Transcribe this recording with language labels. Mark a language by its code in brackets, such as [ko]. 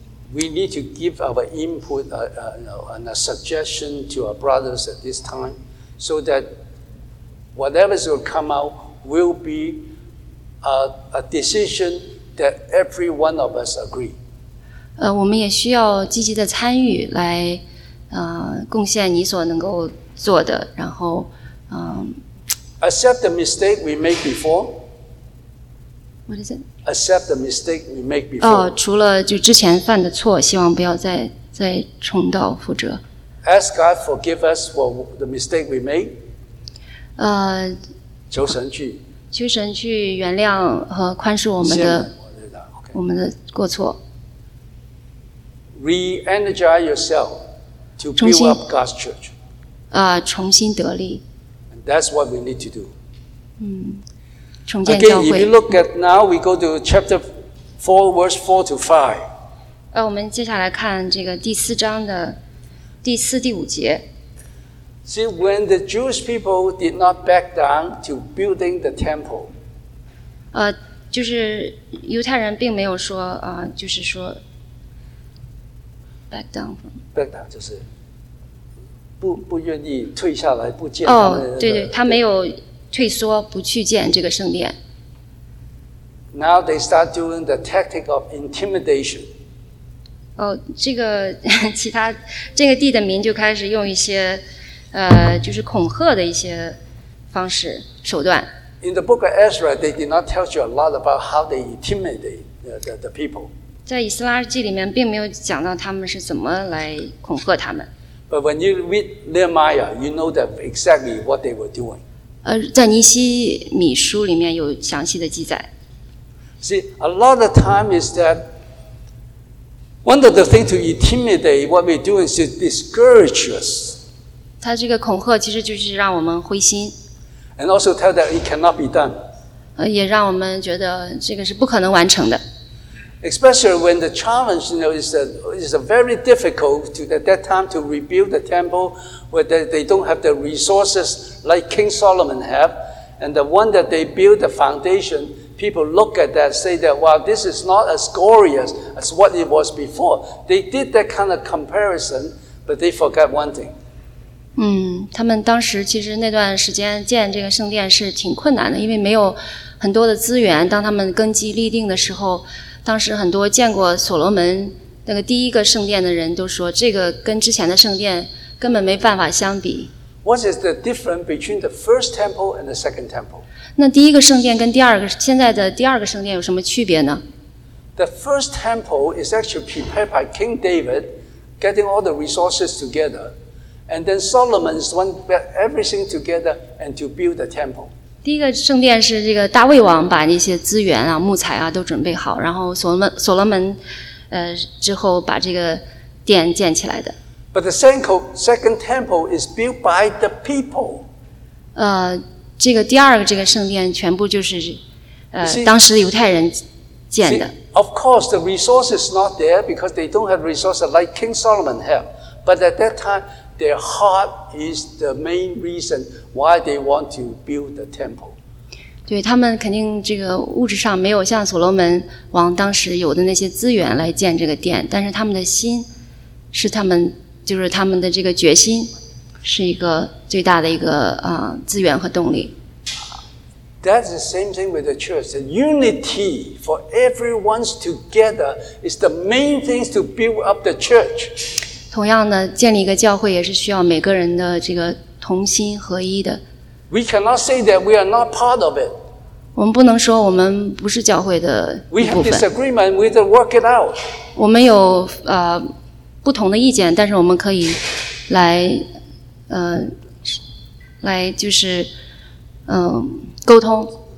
[en] We need to give our input and a suggestion to our brothers at this time so that whatever is going to come out will be a decision that every one of us agree. [zh] 我们也需要积极的参与来贡献你所能够做的然后 [en] Accept the mistake we made before. What is it? Accept the mistake we make before. [zh] 除了就之前犯的错，希望不要再重蹈覆辙。 [en] Ask God forgive us for the mistake we made. [zh] 求神去。求神去原谅和宽恕我们的我们的过错。 [en] Re-energize yourself to build up God's church. [zh] 重新得力。 [en] And that's what we need to do. [zh] 重建教会。 [en] Again, if you look at now, we go to chapter 4, verse 4 to 5. [zh] 我们接下来看这个第四章的第四、第五节。 [en] See, when the Jewish people did not back down to building the temple, [zh] 就是犹太人并没有说就是说 [en] back down from. Back down [zh] 就是不愿意退下来，不见他们、那个。对对，他没有。退缩不去见这个圣殿。 [en] Now they start doing the tactic of intimidation. [zh] 这个其他这个地的民就开始用一些就是恐吓的一些方式手段。 [en] In the book of Ezra, they did not tell you a lot about how they intimidate the people. [zh] 在以斯拉记里面并没有讲到他们是怎么来恐吓他们。 [en] But when you read Nehemiah, you know that exactly what they were doing. [zh] 在尼希米书里面有详细的记载。 [en] See, a lot of time is that one of the things to intimidate what we're doing is to discourage us. [zh] 他这个恐吓其实就是让我们灰心。 [en] And also tell that it cannot be done. [zh] 也让我们觉得这个是不可能完成的。 [en] Especially when the challenge, you know, is a very difficult to at that time to rebuild the temple, where they don't have the resources like King Solomon have, and the one that they build the foundation, people look at that, say that, wow, this is not as glorious as what it was before. They did that kind of comparison, but they forgot one thing. [zh] 他们当时其实那段时间建这个圣殿是挺困难的，因为没有很多的资源。当他们根基立定的时候。当时很多见过所罗门那个第一个圣殿的人都说，这个跟之前的圣殿根本没办法相比。 [en] What is the difference between the first temple and the second temple? [zh] 那第一个圣殿跟第二个现在的第二个圣殿有什么区别呢？ [en] The first temple is actually prepared by King David, getting all the resources together, and then Solomon is one put everything together and to build the temple. [zh] 第一个圣殿是这个大卫王把那些资源啊、木材啊都准备好，然后所罗门，之后把这个殿建起来的。 [en] But the second temple is built by the people. [zh] 这个第二个这个圣殿全部就是，当时犹太人建的。 [en] See, of course, the resource is not there because they don't have resources like King Solomon had. But at that time. Their heart is the main reason why they want to build the temple. [zh] 对他们肯定这个物质上没有像所罗门王当时有的那些资源来建这个殿，但是他们的心是他们就是他们的这个决心是一个最大的一个资源和动力。 [en] That's the same thing with the church. The unity for everyone's together is the main thing to build up the church. [zh] 同样的，建立一个教会也是需要每个人的这个同心合一的。 [en] We cannot say that we are not part of it. [zh] 我们不能说我们不是教会的一部分。 [en] We have disagreement, we have to work it out. [zh] 我们有不同的意见，但是我们可以来就是沟通。